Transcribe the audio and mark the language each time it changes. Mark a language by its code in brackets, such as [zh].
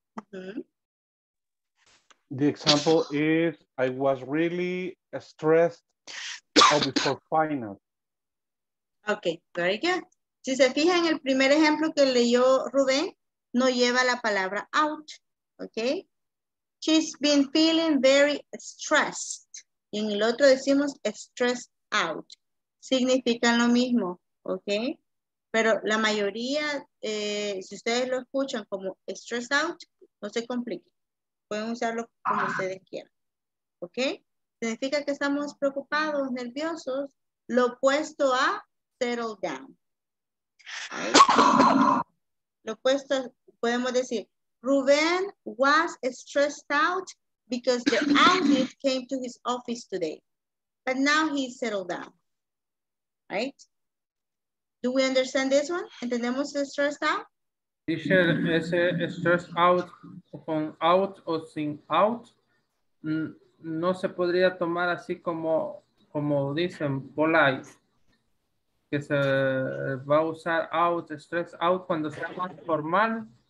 [en] The example is, I was really stressed before finals. Okay, very good. [es] Si se fija en el primer ejemplo que leyó Rubén, no lleva la palabra out, okay? [en] She's been feeling very stressed. [es] Y en el otro decimos stressed out. Significan lo mismo, okay? Pero la mayoría, si ustedes lo escuchan como stressed out, no se compliquen. Pueden usarlo como ustedes quieran, okay? Significa que estamos preocupados, nerviosos, lo opuesto a settle down. Lo opuesto, podemos decir, [en] Rubén was stressed out because the audit came to his office today, but now he's settled down, right? Do we understand this one? [es] ¿Entendemos stressed out? Dice ese stressed out con out o sin out, no se podría tomar así como dicen, polite. Que se va a usar out, stress out, cuando sea más formal?